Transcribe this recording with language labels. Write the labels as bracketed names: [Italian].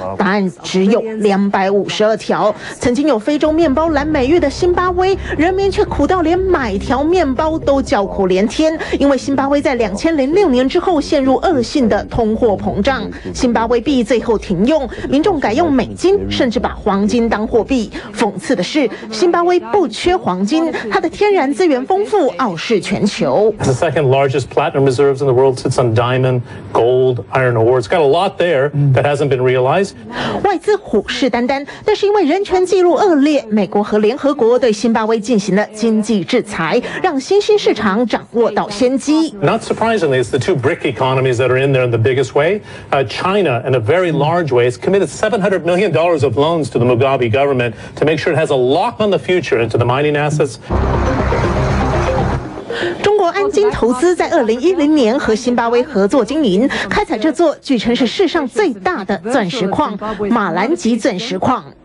[Chinese] 答案只有252条。曾经有非洲面包蓝美誉的新巴威人民却苦到连买条面包都叫苦连天，因为新巴威在2006年之后陷入恶性的通货膨胀，新巴威币最后停用，民众改用美金，甚至把黄金当货币。讽刺的是，新巴威不缺黄金，它的天然资源丰富，傲视全球。 [English] The second largest platinum reserves in the world sits on diamond, gold, iron ore. It's got a lot there that hasn't been realized. [Chinese] 外资虎视眈眈，但是因为人权记录恶劣，美国和联合国对新巴威进行了经济制裁，让新兴市场 [English] Not surprisingly, it's the two BRIC economies that are in there in the biggest way. China, in a very large way, has committed $700 million of loans to the Mugabe government to make sure it has a lock on the future into the mining assets. [Chinese] 中国安金投资在2010年和辛巴威合作经营，开采这座据称是世上最大的钻石矿——马兰吉钻石矿。